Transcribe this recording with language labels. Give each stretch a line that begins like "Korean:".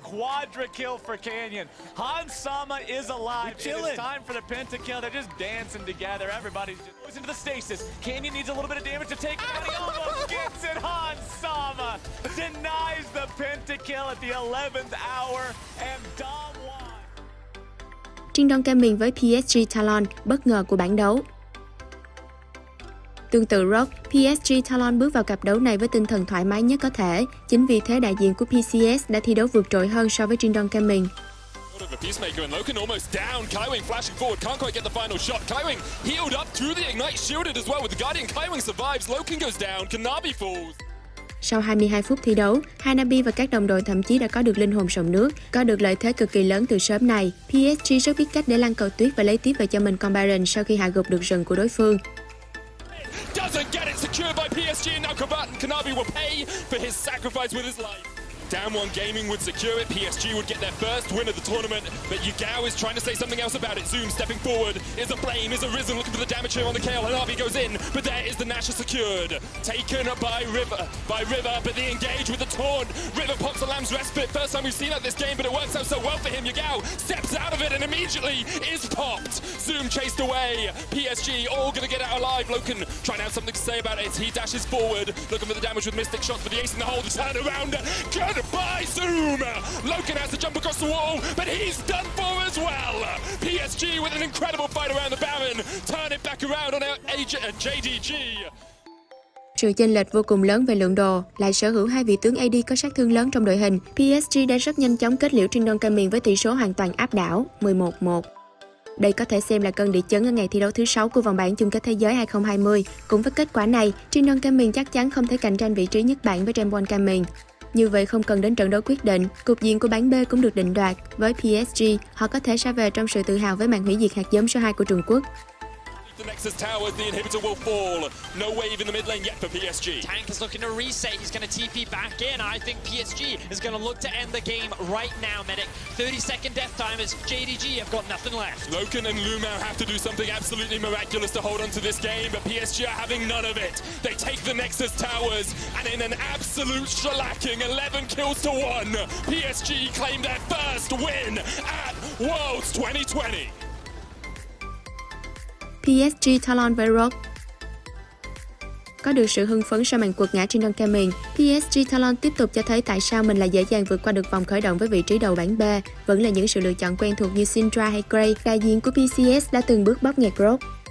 English: Quadra kill for Canyon. Hansama is alive. It is time for the pentakill. They're just dancing together. Everybody's just goes into the stasis. Canyon needs a little bit of damage to take. And he almost gets it. Hansama denies the pentakill at the 11th hour. And Damwon.
Vietnamese: Trindon Gaming với PSG Talon, bất ngờ của bảng đấu. Tương tự Rogue, PSG Talon bước vào cặp đấu này với tinh thần thoải mái nhất có thể. Chính vì thế đại diện của PCS đã thi đấu vượt trội hơn so với Trindon Gaming.
English: The Peacemaker and Loken almost down. Kaiwing flashing forward, can't quite get the final shot. Kaiwing healed up through the Ignite, shielded as well with the Guardian. Kaiwing survives, Loken goes down, Kanavi falls.
Vietnamese: Sau 22 phút thi đấu, Hanabi và các đồng đội thậm chí đã có được linh hồn sông nước, có được lợi thế cực kỳ lớn từ sớm này. PSG rất biết cách để lăn cầu tuyết và lấy tiếp về cho mình con Baron sau khi hạ gục được rừng của đối phương.
English: Doesn't get it secured by PSG and now Kravat and Kanavi will pay for his sacrifice with his life. Damwon Gaming would secure it, PSG would get their first win of the tournament, but Yagao is trying to say something else about it. Zoom stepping forward, is a flame, is a Risen looking for the damage here on the Kale. Hanavi goes in, but there is the Nash secured. Taken by River, but the engage with the taunt. River pops the Lamb's Respite, first time we've seen that this game, but it works out so well for him. Yagao steps out of it and immediately is popped. Zoom chased away, PSG all gonna get out alive. Loken trying to have something to say about it. He dashes forward, looking for the damage with Mystic Shots, but the ace in the hole, the turn around. By Zoom, Loken has to jump across the wall, but he's done for as well. PSG with an incredible fight around the Baron, turn it back around on JDG.
Vietnamese: Sự chênh lệch vô cùng lớn về lượng đồ, lại sở hữu hai vị tướng AD có sát thương lớn trong đội hình, PSG đã rất nhanh chóng kết liễu Trindon Gaming với tỷ số hoàn toàn áp đảo 11-1. Đây có thể xem là cơn địa chấn ở ngày thi đấu thứ 6 của vòng bảng chung kết thế giới 2020. Cũng với kết quả này, Trindon Gaming chắc chắn không thể cạnh tranh vị trí nhất bảng với Rangwon Gaming. Như vậy không cần đến trận đấu quyết định, cục diện của bảng B cũng được định đoạt. Với PSG, họ có thể ra về trong sự tự hào với màn hủy diệt hạt giống số 2 của Trung Quốc.
English: If the Nexus towers, the inhibitor will fall. No wave in the mid lane yet for PSG. Tank is looking to reset. He's going to TP back in. I think PSG is going to look to end the game right now, Medic. 30-second death timers. JDG have got nothing left. Loken and Lumao have to do something absolutely miraculous to hold on to this game, but PSG are having none of it. They take the Nexus towers, and in an absolute shellacking 11 kills to 1, PSG claim their first win at Worlds 2020. PSG Talon Varrock.
Vietnamese: Có được sự hưng phấn sau màn quật ngã trên đơn ca mình, PSG Talon tiếp tục cho thấy tại sao mình lại dễ dàng vượt qua được vòng khởi động với vị trí đầu bảng B. Vẫn là những sự lựa chọn quen thuộc như Syndra hay Gray, đại diện của PCS đã từng bước bóp nghẹt Rogue.